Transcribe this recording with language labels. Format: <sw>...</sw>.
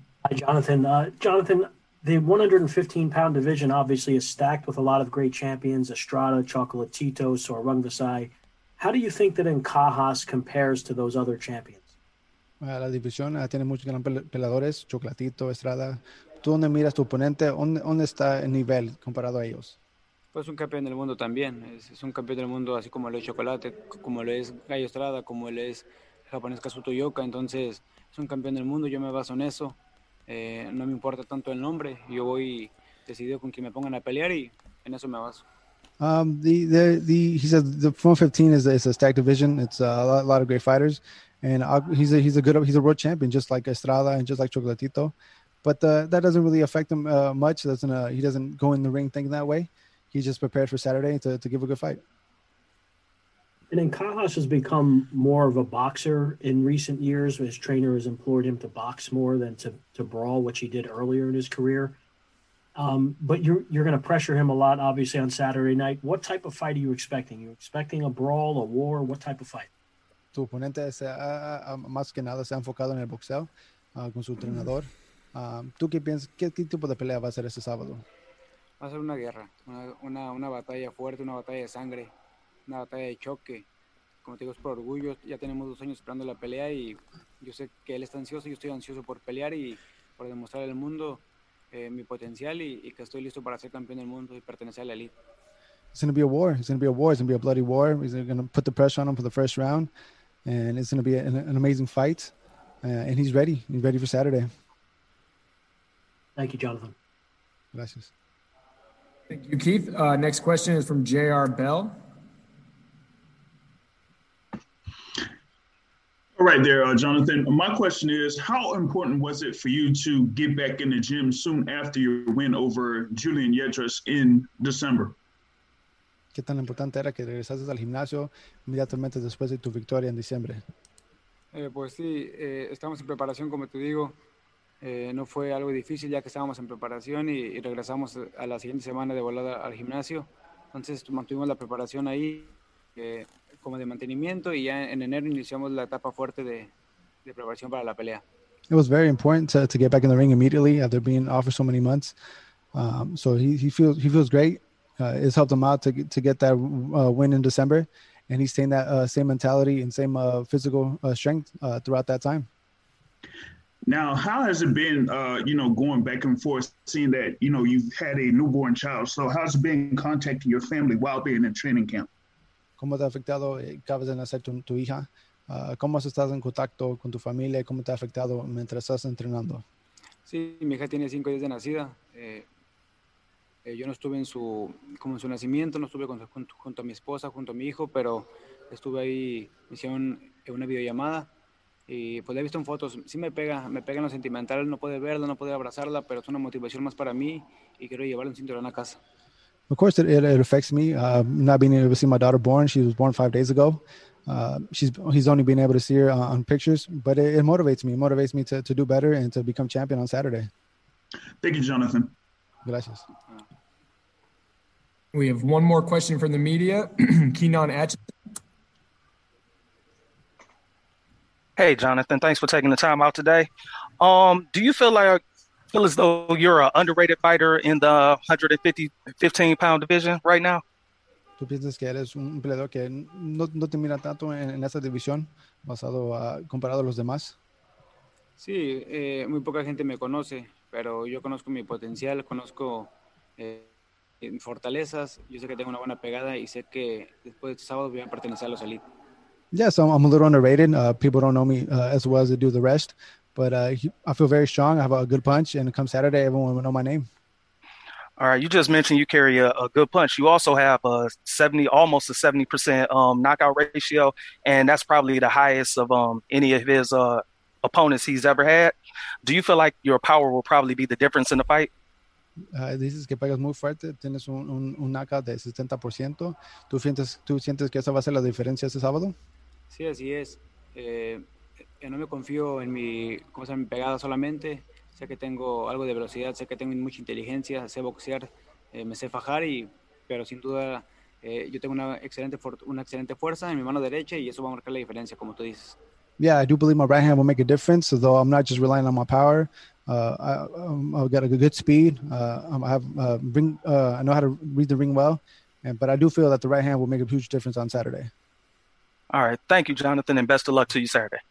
<en>Hi, Jonathan. Jonathan, the 115-pound division obviously is stacked with a lot of great champions, Estrada, Chocolatito, Soarung Vasai. How do you think that Encajas compares to those other champions?</en> <es>La división tiene muchos gran peleadores, Chocolatito, Estrada. ¿Tú dónde miras tu oponente? ¿Dónde está el nivel comparado a ellos? Pues un campeón del mundo también. Es un campeón del mundo así como lo es Chocolate, como lo es Gallo Estrada, como lo es el japonés Kazuto Yoka. Entonces, es un campeón del mundo, yo me baso en eso. No me importa tanto el nombre. Yo voy decidido con quien me pongan a pelear y en eso me baso.</es> <en>He said the 115 is a stacked division. It's a lot of great fighters, and he's a world champion, just like Estrada and just like Chocolatito, but that doesn't really affect him much. He doesn't go in the ring thinking that way. He's just prepared for Saturday to give a good fight. And then Cajas has become more of a boxer in recent years. His trainer has implored him to box more than to brawl, which he did earlier in his career. But you're going to pressure him a lot, obviously, on Saturday night. What type of fight are you expecting? You expecting a brawl, a war? What type of fight?</en> <es>Tu oponente es más que nada se ha enfocado en el boxeo con su entrenador. ¿Tú qué piensas? ¿Qué tipo de pelea va a ser este sábado? Va a ser una guerra, una batalla fuerte, una batalla de sangre, una batalla de choque. Como te digo, es por orgullo. Ya tenemos 2 años esperando la pelea y yo sé que él está ansioso, yo estoy ansioso por pelear y por demostrar al mundo mi potencial y que estoy listo para ser campeón del mundo y pertenecer a la elite.</es> <en>It's going to be a war. It's going to be a war. It's going to be a bloody war. He's going to put the pressure on him for the first round, and it's going to be an amazing fight. And he's ready. He's ready for Saturday. Thank you, Jonathan.</en> <es>Gracias.</es> <en>Thank you, Keith. Next question is from J.R. Bell. All right there, Jonathan. My question is, how important was it for you to get back in the gym soon after your win over Julian Yedras in December?</en> <es>¿Qué tan importante era que regresaste al gimnasio inmediatamente después de tu victoria en diciembre? Pues sí, estamos en preparación, como te digo. No fue algo difícil ya que estábamos en preparación y regresamos a la siguiente semana de volada al gimnasio. Entonces mantuvimos la preparación ahí como de mantenimiento y ya en enero iniciamos la etapa fuerte de preparación para la pelea.</es> <en>It was very important to get back in the ring immediately after being off for so many months. So he feels great. It's helped him out to get that win in December, and he's staying that same mentality and same physical strength throughout that time. Now, how has it been, going back and forth, seeing that, you know, you've had a newborn child? So how's it been contacting your family while being in training camp?</en> <es>¿Cómo te ha afectado acabas de nacer tu hija? ¿Cómo has estado en contacto con tu familia? ¿Cómo te ha afectado mientras estás entrenando? Sí, mi hija tiene 5 días de nacida. Yo no estuve en su nacimiento, no estuve junto a mi esposa, junto a mi hijo, pero estuve ahí, me hicieron una videollamada y pues la he visto en fotos. Sí me pega en lo sentimental, no poder verla, no poder abrazarla, pero es una motivación más para mí y quiero llevarle un cinturón a casa.</es> <en>Of course it affects me, not being able to see my daughter born. She was born 5 days ago. He's only been able to see her on pictures, but it motivates me. It motivates me to do better and to become champion on Saturday. Thank you, Jonathan.</en> <es>Gracias.</es> <en>We have one more question from the media. Keenan Atchison. Hey, Jonathan. Thanks for taking the time out today. Do you feel as though you're an underrated fighter in the 115-pound division right now?</en> <es>¿Tú piensas que eres un peleador que no te mira tanto en esa división comparado a los demás? Sí, muy poca gente me conoce, pero yo conozco mi potencial, conozco en fortalezas, yo sé que tengo una buena pegada y sé que después de este sábado voy a pertenecer a los elite.</es> <en>Yeah, so I'm a little underrated. People don't know me as well as they do the rest, but I feel very strong. I have a good punch, and come Saturday, everyone will know my name. All right, you just mentioned you carry a good punch. You also have almost a 70% knockout ratio, and that's probably the highest of any of his opponents he's ever had. Do you feel like your power will probably be the difference in the fight?</en> <es>Dices que pegas muy fuerte, tienes un knockout de 70%. ¿Tú sientes que esa va a ser la diferencia este sábado? Sí, así es. No me confío en mi, ¿cómo se llama?, mi pegada solamente. Sé que tengo algo de velocidad, sé que tengo mucha inteligencia, sé boxear, me sé fajar, pero sin duda yo tengo una excelente fuerza en mi mano derecha y eso va a marcar la diferencia, como tú dices.</es> <en>Yeah, I do believe my right hand will make a difference, though I'm not just relying on my power. I've got a good speed. I know how to read the ring well, but I do feel that the right hand will make a huge difference on Saturday. All right. Thank you, Jonathan, and best of luck to you Saturday.</en>